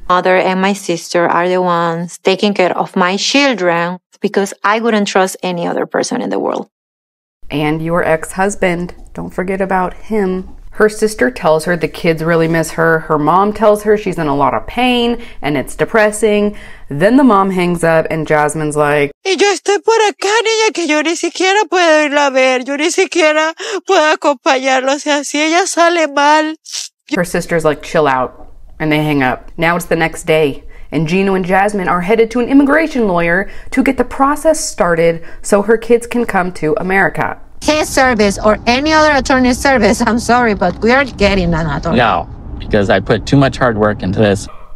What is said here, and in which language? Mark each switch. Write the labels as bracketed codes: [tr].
[en] Mother and my sister are the ones taking care of my children because I wouldn't trust any other person in the world. And your ex-husband, don't forget about him. Her sister tells her the kids really miss her. Her mom tells her she's in a lot of pain and it's depressing. Then the mom hangs up and Jasmine's like, [es] y yo estoy por acá, niña, que yo ni siquiera puedo irla a ver. Yo ni siquiera puedo acompañarla. O sea, si ella sale mal. [en] Her sister's like, chill out. And they hang up. Now it's the next day. And Gino and Jasmine are headed to an immigration lawyer to get the process started so her kids can come to America. His service or any other attorney's service, I'm sorry, but we are getting an attorney. No, because I put too much hard work into this.